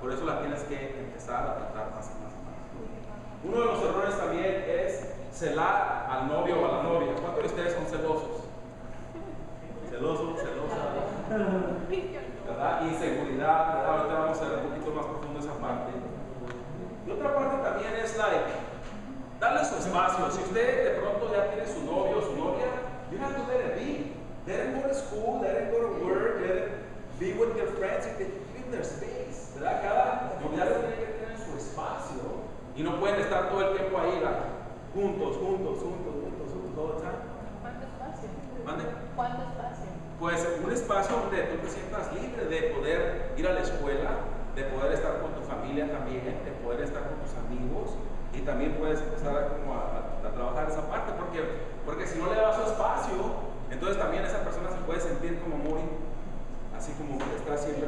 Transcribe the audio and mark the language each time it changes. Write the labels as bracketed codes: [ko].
[es] Por eso la tienes que empezar a tratar más y más y más. Uno de los errores también es celar al novio o a la novia. ¿Cuántos de ustedes son celosos? celoso, celosa, ¿verdad? Inseguridad, ¿verdad? Ahorita vamos a ver un poquito más profundo esa parte. Y otra parte también es like, darle su espacio. Si usted de pronto ya tiene su novio o su novia, [en] you have to let it be. Let him go to school, let him go to work, let him be with your friends, give him their space, ¿verdad? [es] Cada comunidad tiene que tener su espacio y no pueden estar todo el tiempo ahí, ¿verdad? Juntos, todo el tiempo. ¿Cuánto espacio? Pues un espacio donde tú te sientas libre de poder ir a la escuela, de poder estar con tu familia también, de poder estar con tus amigos y también puedes empezar como a trabajar esa parte, porque si no le das su espacio, entonces también esa persona se puede sentir como muy, así como que está siempre.